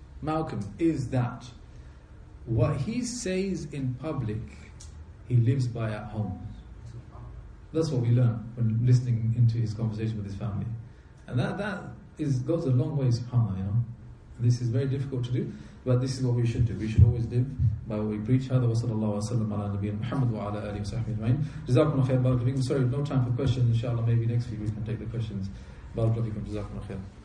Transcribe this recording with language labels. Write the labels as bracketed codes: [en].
[en] Malcolm is that what he says in public, he lives by at home. That's what we learn when listening into his conversation with his family. And that goes a long way, subhanAllah, you know. And this is very difficult to do, but this is what we should do. We should always live by what we preach. [ar] هذا وصلى الله وسلم على نبينا محمد وعلى آله وصحبه أجمعين. جزاكم الله خير بارك الله فيكم. [en] Sorry, no time for questions. Inshallah, maybe next week we can take the questions. [ar] بارك الله فيكم. جزاكم الله خير.